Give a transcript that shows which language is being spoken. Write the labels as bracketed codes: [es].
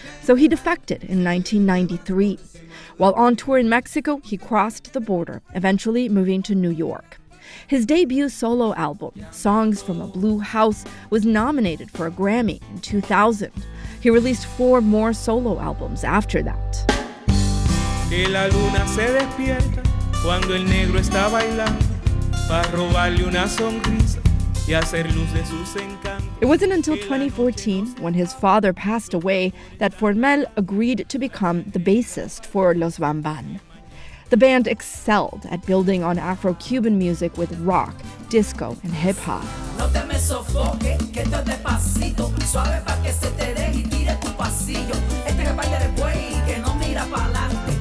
[en] So he defected in 1993. While on tour in Mexico, he crossed the border, eventually moving to New York. His debut solo album, Songs from a Blue House, was nominated for a Grammy in 2000. He released four more solo albums after that. [es] Que la luna se despierta cuando el negro está bailando para robarle una sonrisa y hacer luz de sus encantos. [en] It wasn't until 2014, when his father passed away, that Formel agreed to become the bassist for Los Vanvan. The band excelled at building on Afro-Cuban music with rock, disco, and hip-hop. [es] No te me sofoque, que esto es despacito, suave pa' que se te dé y tire tu pasillo. Este es el baile de buey que no mira pa' adelante.